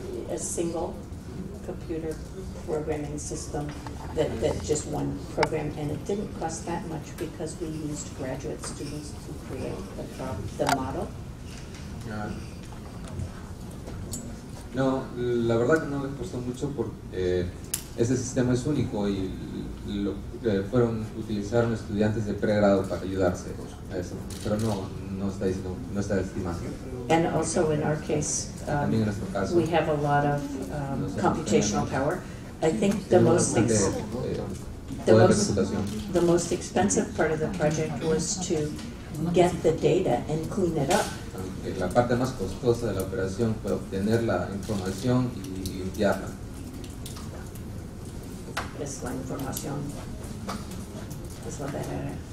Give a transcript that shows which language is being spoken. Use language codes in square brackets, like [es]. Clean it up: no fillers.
[en] It's a single computer programming system that just one program, and it didn't cost that much because we used graduate students to create the model. [es] No, la verdad que no les costó mucho porque ese sistema es único y lo fueron utilizaron estudiantes de pregrado para ayudarse a eso, pero no está estimado. [en] And also in our case, we have a lot of computational power. I think the most expensive part of the project was to get the data and clean it up. [es] La parte más costosa de la operación fue obtener la información y limpiarla. Es la información. Es la verdad.